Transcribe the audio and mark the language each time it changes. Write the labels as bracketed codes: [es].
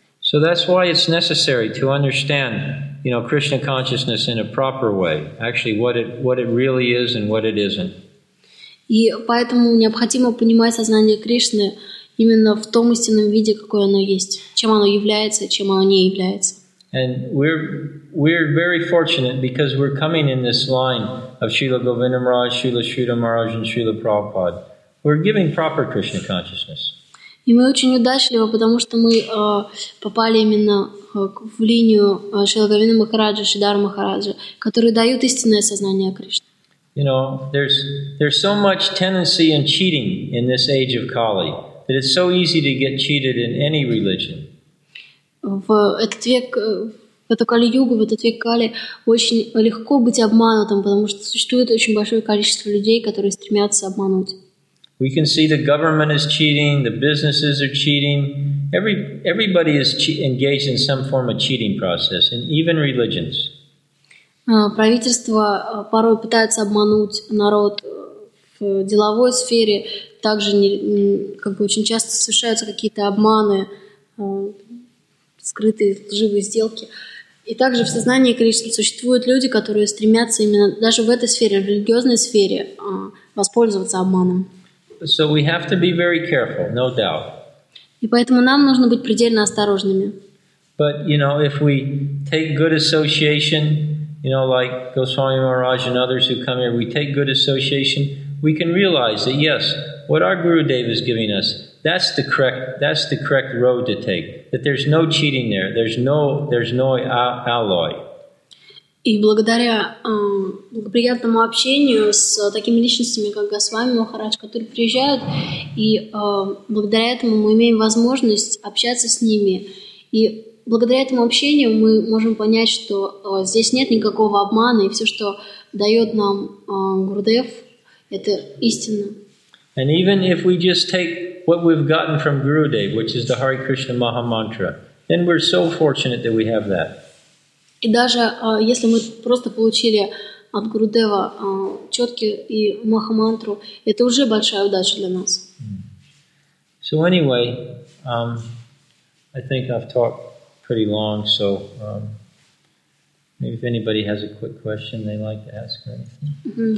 [en] So that's why it's necessary to understand, you know, Krishna consciousness in a proper way. Actually, what it really is and what it isn't. [ru] И поэтому необходимо понимать сознание Кришны именно в том истинном виде, какое оно есть, чем оно является, чем оно не является. [en] And we're very fortunate because we're coming in this line of Srila Govinda Maharaj, Srila Sridhar Maharaj, and Srila Prabhupada. We're giving proper Krishna consciousness. [ru] И мы очень удачливо, потому что мы попали именно в линию Шрила Гавинда Махараджа, Шридхара Махараджа, которые дают истинное сознание Кришны. [en] You know, there's so much tendency and cheating in this age of Kali that it's so easy to get cheated in any religion. [ru] В эту Кали-югу, в этот век Кали, очень легко быть обманутым, потому что существует очень большое количество людей, которые стремятся обмануть. [en] We can see the government is cheating, the businesses are cheating. Everybody is engaged in some form of cheating process, and even religions. [ru] Правительство порой пытается обмануть народ в деловой сфере. Также как бы очень часто совершаются какие-то обманы, скрытые, лживые сделки. И также в сознании Кришны существуют люди, которые стремятся именно даже в этой сфере, в религиозной сфере, воспользоваться обманом. [en] So we have to be very careful, no doubt. [ru] И поэтому нам нужно быть предельно осторожными. [en] But, you know, if we take good association, you know, like Goswami Maharaj and others who come here, we take good association, we can realize that, yes, what our Gurudev is giving us, that's the correct road to take. That there's no cheating there. There's no alloy. [ru] И благодаря благоприятному общению с такими личностями, как Госвами Махарадж, которые приезжают, и благодаря этому мы имеем возможность общаться с ними. И благодаря этому общению мы можем понять, что здесь нет никакого обмана, и все, что дает нам Гурудев, это истина. [en] And even if we just take what we've gotten from Gurudev, which is the Hare Krishna Maha Mantra, then we're so fortunate that we have that. [ru] И даже если мы просто получили от Гурудева четки и Маха Мантру, это уже большая удача для нас. [en] So anyway, I think I've talked pretty long, so maybe if anybody has a quick question they like to ask or anything.